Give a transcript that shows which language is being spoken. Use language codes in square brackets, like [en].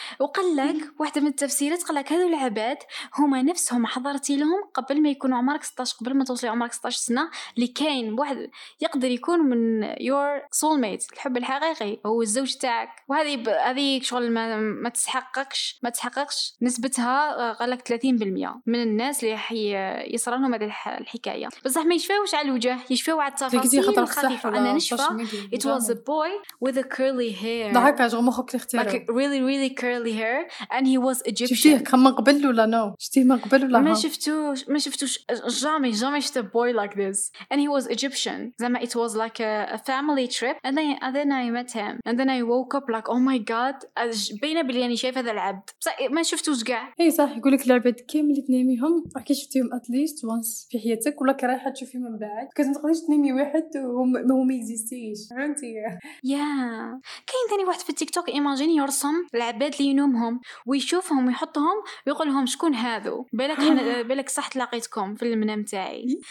[ar] وقال لك واحده من التفسيرات قال لك هذو العباد هما نفسهم حضرتي لهم قبل ما يكون عمرك 16، قبل ما توصلي عمرك 16 سنة اللي كاين واحد يقدر يكون من [en] your soulmate [ar] الحب الحقيقي هو الزوج تاعك، وهذه شغل ما تحققش نسبتها قالك 30% من الناس اللي حي يصرى لهم هذه الحكاية. بصح ما يشفاوش على الوجه، يشفاو على التفاصيل الخفيفة. انا نشفى [en] it was a boy with a curly hair، [ar] ضحك على مخك تختاره [en] like really really curly hair and he was Egyptian. [ar] شفتيه كم من قبل ولا نو؟ شفتيه من قبل ولا ما شفتوش جامي شفت [en] a boy like this and he was Egyptian. [ar] زما [en] it was like a family trip and then I met him and then I woke up like oh my god. [ar] بينا بلي يعني شايف هذا العبد بصح ما شفتوش كاع. اي صح يقولك العباد كامل تناميهم راكي شفتيهم [en] at least once [ar] في حياتك، ولا كي رايحه تشوفي من بعد كنت تقدريش تنامي واحد وهو ما اكزيستيش. فهمتي؟ يا كاين ثاني واحد في التيك توك ايماجين يرسم العباد اللي ينومهم ويشوفهم ويحطهم ويقول لهم شكون هذو، بالك بالك صح تلاقيتكم في المنام تاعي.